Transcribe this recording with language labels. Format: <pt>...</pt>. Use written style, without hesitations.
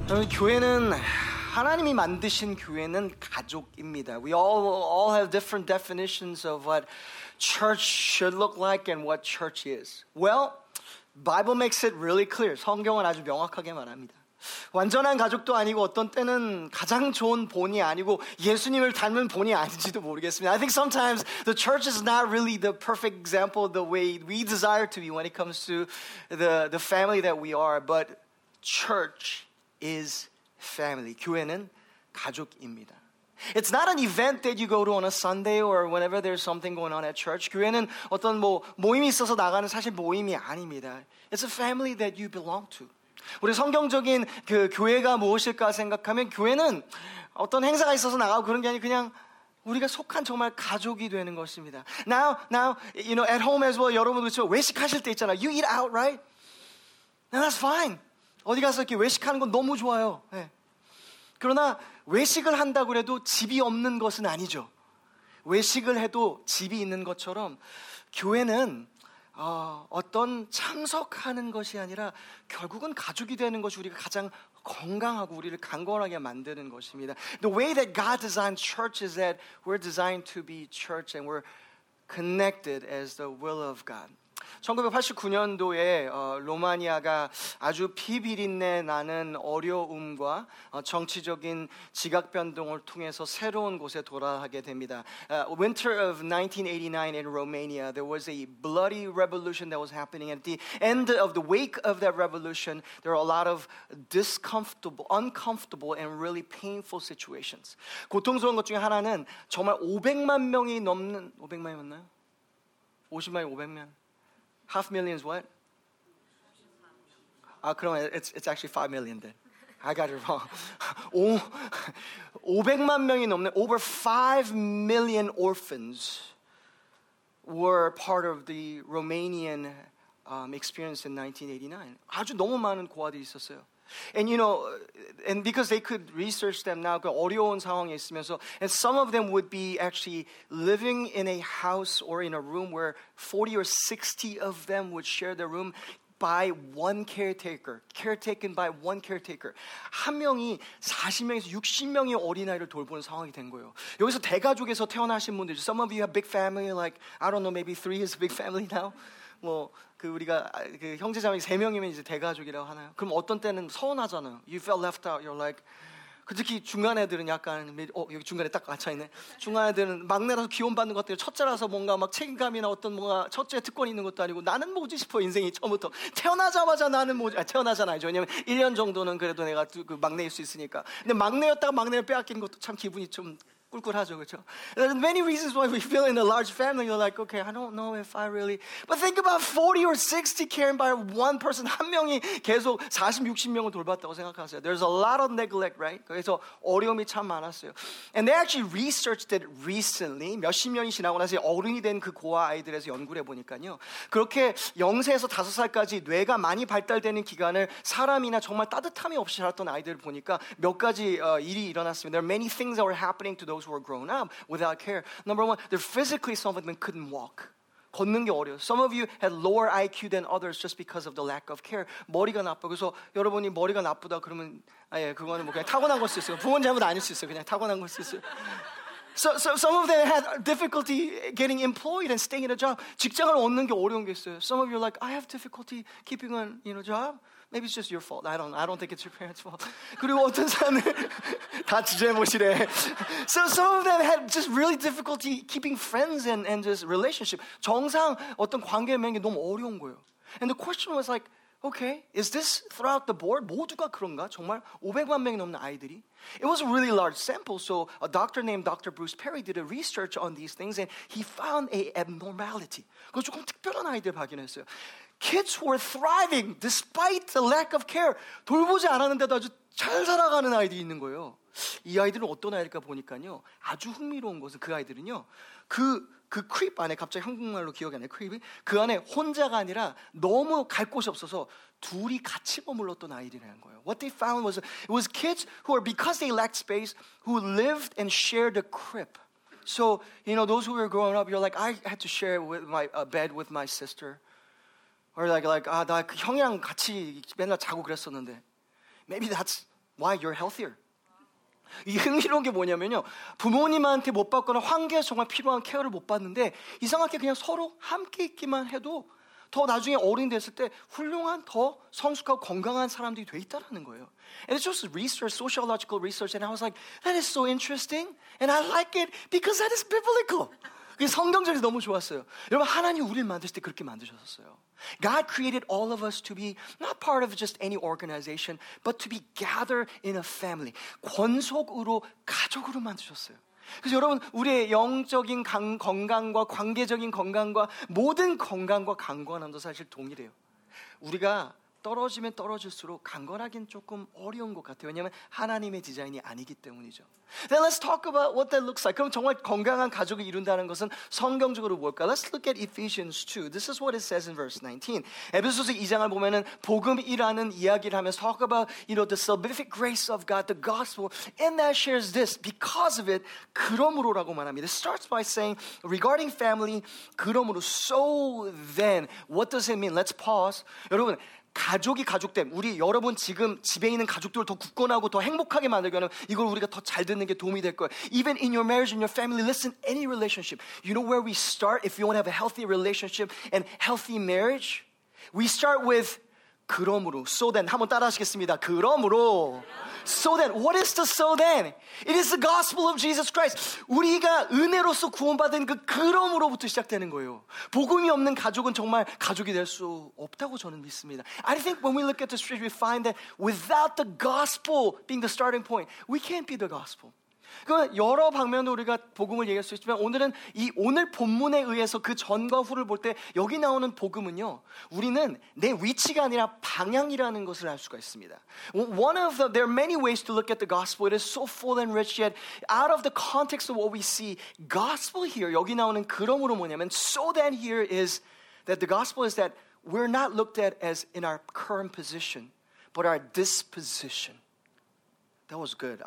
<ko>교회는 하나님이 만드신 교회는 가족입니다.</ko> <en>We all have different definitions of what church should look like and what church is. Well, Bible makes it really clear.</en> <ko>성경은 아주 명확하게 말합니다. 완전한 가족도 아니고 어떤 때는 가장 좋은 본이 아니고 예수님을 닮은 본이 아닌지도 모르겠습니다.</ko> <en>I think sometimes the church is not really the perfect example of the way we desire to be when it comes to the family that we are, but church is family.</en> <ko>교회는 가족입니다.</ko> <en>It's not an event that you go to on a Sunday or whenever there's something going on at church.</en> <ko>교회는 어떤 뭐 모임이 있어서 나가는 사실 모임이 아닙니다.</ko> <en>It's a family that you belong to.</en> <ko>우리 성경적인 그 교회가 무엇일까 생각하면 교회는 어떤 행사가 있어서 나가고 그런 게 아니 그냥 우리가 속한 정말 가족이 되는 것입니다.</ko> <en>Now, you know, at home as well,</en> <ko>여러분도 그렇죠? 외식하실 때 있잖아.</ko> <en>You eat out, right? Now that's fine.</en> <ko>어디 가서 이렇게 외식하는 건 너무 좋아요. 네. 그러나 외식을 한다고 해도 집이 없는 것은 아니죠. 외식을 해도 집이 있는 것처럼 교회는 어떤 참석하는 것이 아니라 결국은 가족이 되는 것이 우리가 가장 건강하고 우리를 강건하게 만드는 것입니다.</ko> <en>The way that God designed church is that we're designed to be church and we're connected as the will of God.</en> <ko>1989년도에 로마니아가 아주 피비린내 나는 어려움과 정치적인 지각 변동을 통해서 새로운 곳에 돌아가게 됩니다.</ko> <en>Winter of 1989 in Romania, there was a bloody revolution that was happening. At the end of the wake of that revolution, there are a lot of uncomfortable and really painful situations.</en> <ko>고통스러운 것 중에 하나는 정말 500만 명이 넘는 500만이 맞나요? 50만이 500만?</ko> <en>Half million is what?</en> <ko>아, 그럼</ko> <en>it's actually 5 million then. I got it wrong.</en> <ko>500만 명이 넘는,</ko> <en>over 5 million orphans were part of the Romanian experience in 1989.</en> <ko>아주 너무 많은 고아들이 있었어요.</ko> <en>And you know, and because they could research them now,</en> <ko>그 어려운 상황에 있으면서,</ko> <en>and some of them would be actually living in a house or in a room where 40 or 60 of them would share the room by one caretaker, caretaken by one caretaker.</en> <ko>한 명이 40명에서 60명의 어린아이를 돌보는 상황이 된 거예요. 여기서 대가족에서 태어나신 분들,</ko> <en>some of you have big family, like, I don't know, maybe 3 is a big family now.</en> <ko>뭐 그 우리가 그 형제자매 세 명이면 이제 대가족이라고 하나요? 그럼 어떤 때는 서운하잖아요.</ko> <en>You felt left out. You're like</en> <ko>그 특히 중간 애들은 약간 여기 중간에 딱 갇혀 있네. 중간 애들은 막내라서 귀여움 받는 것들, 첫째라서 뭔가 막 책임감이나 어떤 뭔가 첫째 특권 있는 것도 아니고 나는 뭐지 싶어 인생이 처음부터 태어나자마자 나는 뭐지 태어나잖아요. 왜냐면 1년 정도는 그래도 내가 그 막내일 수 있으니까. 근데 막내였다가 막내를 빼앗긴 것도 참 기분이 좀 꿀꿀하죠, 그렇죠?</ko> <en>There are many reasons why we feel in a large family. You're like, okay, I don't know if I really... But think about 40 or 60 caring by one person.</en> <ko>한 명이 계속 40, 60명을 돌봤다고 생각하세요.</ko> <en>There's a lot of neglect, right?</en> <ko>그래서 어려움이 참 많았어요.</ko> <en>And they actually researched it recently.</en> <ko>몇십 년이 지나고 나서 어른이 된 그 고아 아이들에서 연구를 해보니까요. 그렇게 0세에서 5살까지 뇌가 많이 발달되는 기간을 사람이나 정말 따뜻함이 없이 살았던 아이들을 보니까 몇 가지 일이 일어났습니다.</ko> <en>There are many things that were happening to those who were grown up without care. Number one, they're physically, some of them couldn't walk.</en> <ko>걷는 게 어려워.</ko> <en>Some of you had lower IQ than others just because of the lack of care.</en> <ko>머리가 나빠. 그래서 여러분이 머리가 나쁘다 그러면 아예 그거는 뭐 그냥 타고난 걸 수 있어요. 부모님 잘못 아닐 수 있어요. 그냥 타고난 걸 수 있어요.</ko> <en>So some of them had difficulty getting employed and staying in a job.</en> <ko>직장을 얻는 게 어려운 게 있어요.</ko> <en>Some of you are like, I have difficulty keeping on, you know, job. Maybe it's just your fault. I don't think it's your parents' fault.</en> <ko>그리고 어떤 사람은 다 지재모시래.</ko> <en>So some of them had just really difficulty keeping friends and just relationship.</en> <ko>정상 어떤 관계 맺는 게 너무 어려운 거예요.</ko> <en>And the question was like, okay, is this throughout the board?</en> <ko>모두가 그런가? 정말 500만 명이 넘는 아이들이?</ko> <en>It was a really large sample, so a doctor named Dr. Bruce Perry did a research on these things and he found an abnormality.</en> <ko>그 조금 특별한 아이들 발견했어요.</ko> <en>Kids were thriving despite the lack of care.</en> <ko>돌보지 않았는데도 아주 잘 살아가는 아이들이 있는 거예요. 이 아이들은 어떤 아이일까 보니까요. 아주 흥미로운 것은 그 아이들은요. 그 크립 안에, 갑자기 한국말로 기억이 안 나요. 크립이? 그 안에 혼자가 아니라 너무 갈 곳이 없어서 둘이 같이 머물렀던 아이들이라는 거예요.</ko> <en>What they found was, it was kids who were, because they lacked space, who lived and shared a crib. So, you know, those who were growing up, you're like, I had to share with my, a bed with my sister. Or like,</en> <ko>아, 나 그 형이랑 같이 맨날 자고 그랬었는데.</ko> <en>Maybe that's Why? You're healthier.</en> <ko>이 흥미로운 게 뭐냐면요. 부모님한테 못 받거나 환경에 정말 필요한 케어를 못 받는데 이상하게 그냥 서로 함께 있기만 해도 더 나중에 어른이 됐을 때 훌륭한, 더 성숙하고 건강한 사람들이 돼 있다는 거예요.</ko> <en>And it's just research, sociological research. And I was like, that is so interesting. And I like it because that is biblical.</en> <ko>그게 성경적이 너무 좋았어요. 여러분, 하나님 우리를 만드실 때 그렇게 만드셨었어요.</ko> <en>God created all of us to be not part of just any organization, but to be gathered in a family.</en> <ko>권속으로, 가족으로 만드셨어요. 그래서 여러분, 우리의 영적인 건강과 관계적인 건강과 모든 건강과 강건함도 사실 동일해요. 우리가 떨어지면 떨어질수록 강건하긴 조금 어려운 것 같아요. 왜냐하면 하나님의 디자인이 아니기 때문이죠.</ko> <en>Then let's talk about what that looks like.</en> <ko>그럼 정말 건강한 가족을 이룬다는 것은 성경적으로 뭘까?</ko> <en>Let's look at Ephesians 2. This is what it says in verse 19.</en> <ko>에베소서 2장을 보면은 복음이라는 이야기를 하면서</ko> <en>talk about, you know, the salvific grace of God, the gospel, and that shares this. Because of it,</en> <ko>그러므로라고 말합니다.</ko> <en>It starts by saying, regarding family, 그러므로, so then, what does it mean? Let's pause.</en> <ko>여러분, 가족이 가족됨, 우리 여러분 지금 집에 있는 가족들을 더 굳건하고 더 행복하게 만들거나 이걸 우리가 더 잘 듣는 게 도움이 될 거예요.</ko> <en>Even in your marriage, in your family, listen, any relationship. You know where we start if you want to have a healthy relationship and healthy marriage? We start with 그러므로, so then.</en> <ko>한번 따라하시겠습니다. 그러므로.</ko> <en>So then, what is the so then? It is the gospel of Jesus Christ.</en> <ko>우리가 은혜로서 구원받은 그 그럼으로부터 시작되는 거예요. 복음이 없는 가족은 정말 가족이 될 수 없다고 저는 믿습니다.</ko> <en>I think when we look at the scripture, we find that without the gospel being the starting point, we can't be the gospel.</en> <ko>그러니까 여러 방면으로 우리가 복음을 얘기할 수 있지만 오늘은 이 오늘 본문에 의해서 그 전과 후를 볼 때 여기 나오는 복음은요, 우리는 내 위치가 아니라 방향이라는 것을 알 수가 있습니다.</ko> <en>One of the, there are many ways to look at the gospel. It is so full and rich, yet out of the context of what we see, gospel here,</en> <ko>여기 나오는 그럼으로 뭐냐면</ko> <en>so then here is that the gospel is that we're not looked at as in our current position, but our disposition. That was good.</en>